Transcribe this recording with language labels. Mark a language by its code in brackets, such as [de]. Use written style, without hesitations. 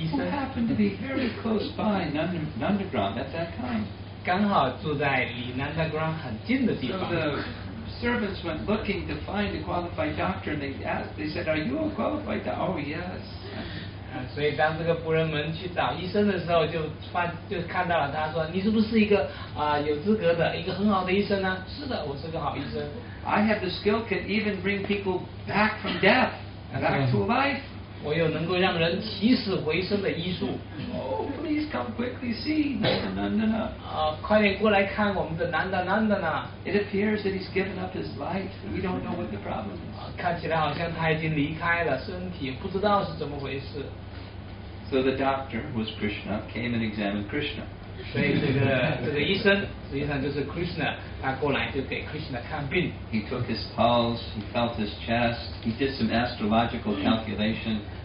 [en] happened to be very close by Nandagram at that time. [zh] 刚好住在离 Nandagram 很近的地方。 [en] So the servants went looking to find a qualified doctor, and they said, "Are you a qualified doctor?" Oh yes. [zh] 所以当这个仆人们去找医生的时候，就看到了他说，你是不是一个有资格的一个很好的医生呢？是的，我是个好医生。 [en] I have the skill can even bring people back from death, back to life. [zh] 我有能够让人起死回生的医术。 [en] Oh, please come quickly see Nandanandana. [zh] 快点过来看我们的 Nandanandana. [en] It appears that he's given up his life. We don't know what the problem is. [zh] 看起来好像他已经离开了身体，不知道是怎么回事。 [en] So the doctor, who was Krishna, came and examined Krishna. [zh] 所以这个医生实际上就是 Krishna, 他过来就给 Krishna 看病。 [en] He took his pulse, he felt his chest, he did some astrological calculation.